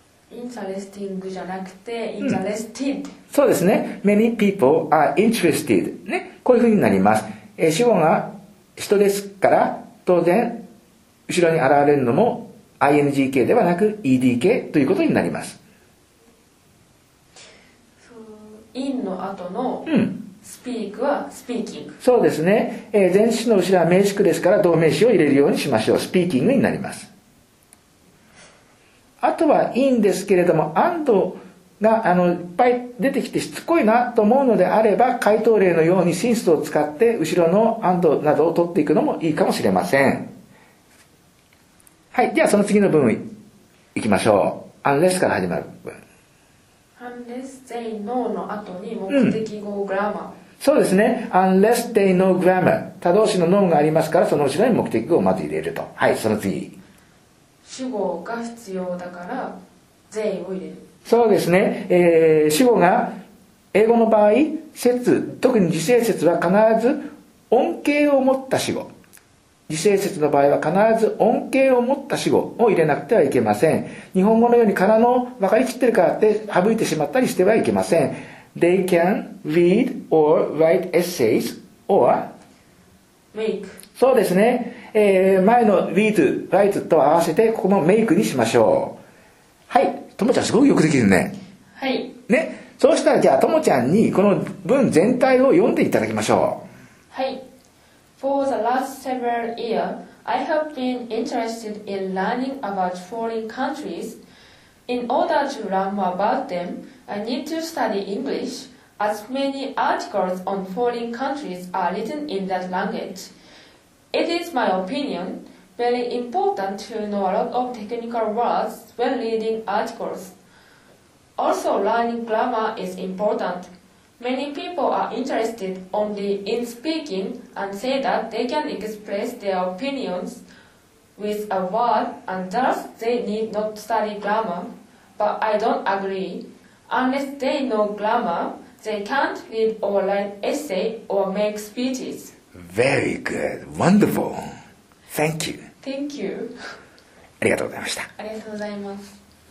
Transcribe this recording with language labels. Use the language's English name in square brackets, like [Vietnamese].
[Japanese] Interesting じゃなくて Interested、うん、そうですね、 [English] Many people are interested、 [Japanese] ね、こういうふうになります。主語が人ですから当然後ろに現れるのも ING 形ではなく ED 形ということになります。 in の後の speak は speaking、うん、そうですね、前置詞の後ろは名詞句ですから動名詞を入れるようにしましょう。 speaking になります。あとはいいんですけれども、and がいっぱい出てきてしつこいなと思うのであれば、回答例のように [English] since [Japanese] を使って後ろの and などを取っていくのもいいかもしれません。はい、ではその次の文いきましょう。unless から始まる文。 [English] unless they know [Japanese] の後に目的語 grammar、うん、そうですね。 [English] unless they know grammar、 [Japanese] 他動詞の know がありますから、その後ろに目的語をまず入れると。はい、その次、主語が必要だから they を入れる。そうですね、主語が英語の場合、節、特に時制節は必ず音形を持った主語、時制節の場合は必ず音形を持った主語を入れなくてはいけません。日本語のように空の分かりきってるからって省いてしまったりしてはいけません。 [English] They can read or write essays or make。 [Japanese] そうですね、前の read write と合わせてここも make にしましょう。はい、ともちゃんすごくよくできるね。はい、ね、そうしたらじゃあともちゃんにこの文全体を読んでいただきましょう。はい。 [English] For the last several years, I have been interested in learning about foreign countries. In order to learn more about them, I need to study English, as many articles on foreign countries are written in that language. It is my opinion, very important to know a lot of technical words when reading articles. Also, learning grammar is important. Many people are interested only in speaking and say that they can express their opinions with a word and thus they need not study grammar. But I don't agree. Unless they know grammar, they can't read or write essay or make speeches. Very good. Wonderful. Thank you. Thank you. [Japanese] ありがとうございました。ありがとうございます。